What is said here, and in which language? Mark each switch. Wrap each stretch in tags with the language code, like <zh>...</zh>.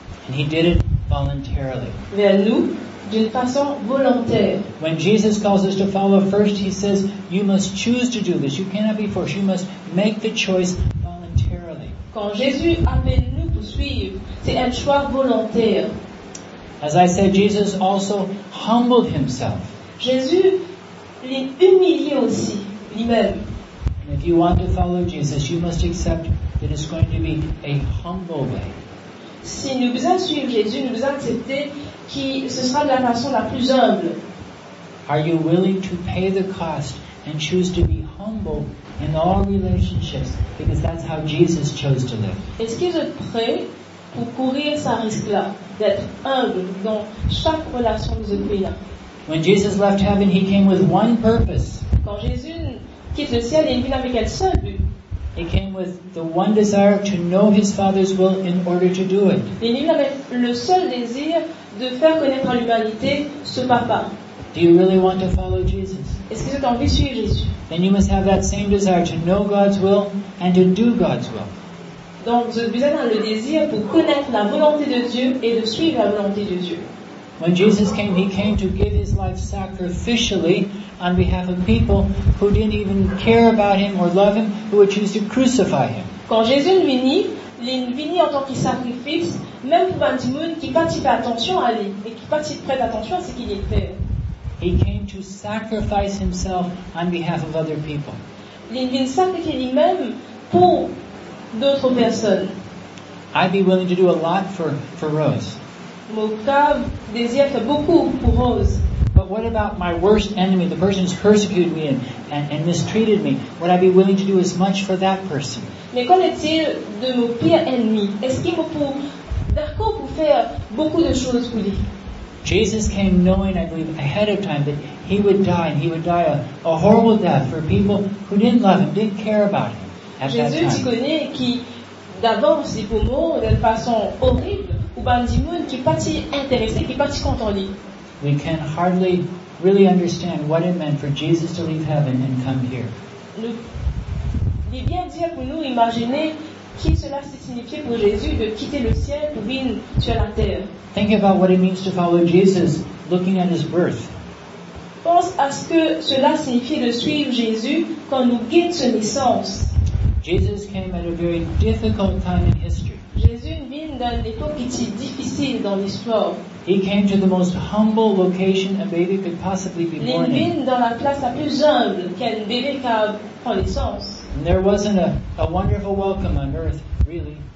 <en>And he did it voluntarily.</en> <fr>Vers nous, d'une façon volontaire.</fr> <en>When Jesus calls us to follow, first he says, you must choose to do this. You cannot be forced. You must make the choice voluntarily.</en> <fr>Quand Jésus appelle nous pour suivre, c'est un choix volontaire.</fr> <en>As I said, Jesus also humbled himself.</en> <fr>Jésus l'est humilié aussi, lui-même.</fr> <en>If you want to follow Jesus, you must accept that it's going to be a humble way.</en> <fr>Si nous voulons suivre Jésus, nous devons accepter que ce sera de la façon la plus humble.</fr> <en>Are you willing to pay the cost and choose to be humble in all relationships? Because that's how Jesus chose to live.</en> <fr>Est-ce que vous êtes prêt pour courir ce risque-là, d'être humble dans chaque relation que vous avez là?</fr> <en>When Jesus left heaven, he came with one purpose.</en> <fr>Quand Jésus quitte le ciel, il vient avec un seul but.</fr> <en>He came with the one desire to know his Father's will in order to do it.</en> <fr>Il vient avec le seul désir de faire connaître à l'humanité ce papa.</fr> <en>Do you really want to follow Jesus?</en> <fr>Est-ce que vous avez envie de suivre Jésus?</fr> <en>Then you must have that same desire to know God's will and to do God's will.</en> <fr>Donc vous avez besoin le désir pour connaître la volonté de Dieu et de suivre la volonté de Dieu.</fr> <en>When Jesus came, he came to give his life sacrificially on behalf of people who didn't even care about him or love him, who would choose to crucify him.</en> <fr>Quand Jésus vint, il vint en tant que sacrifice, même pour un monde qui pas fait attention à lui et qui pas prête attention à ce qu'il était.</fr> <en>He came to sacrifice himself on behalf of other people.</en> <fr>Il vint sacrifier lui-même pour d'autres personnes.</fr> <en>I'd be willing to do a lot for Rose.</en> <fr>Moka désire faire beaucoup pour Rose.</fr> <en>But what about my worst enemy, the person who's persecuted me and mistreated me? Would I be willing to do as much for that person?</en> <fr>Mais qu'en est-il de mon pire ennemi? Est-ce qu'il me peut d'accord pour faire beaucoup de choses pour lui?</fr> <en>Jesus came knowing, I believe, ahead of time that he would die, and he would die a horrible death for people who didn't love him, didn't care about him at</en> <fr>Jésus,</fr> <en>that time.</en> <fr>Jésus, tu connais qui d'avance est pour mourir d'une façon horrible. Ou bien des gens qui partent intéressés, qui partent contrôlés.</fr> <en>We can hardly really understand what it meant for Jesus to leave heaven and come here.</en> <fr>Il est bien dire pour nous imaginer qui cela signifiait pour Jésus de quitter le ciel pour venir sur la terre.</fr> <en>Think about what it means to follow Jesus, looking at his birth.</en> <fr>Pense à ce que cela signifiait de suivre Jésus quand nous guettons sa naissance.</fr> <en>Jesus came at a very difficult time in history.</en> <fr>Dans l'époque qui était difficile dans l'histoire.</fr> <en>He came to the most humble location a baby could possibly be born in.</en> <fr>Dans la place la plus humble qu'un bébé qu'a prend naissance.</fr> <en>And there wasn't a wonderful welcome on earth, really.</en>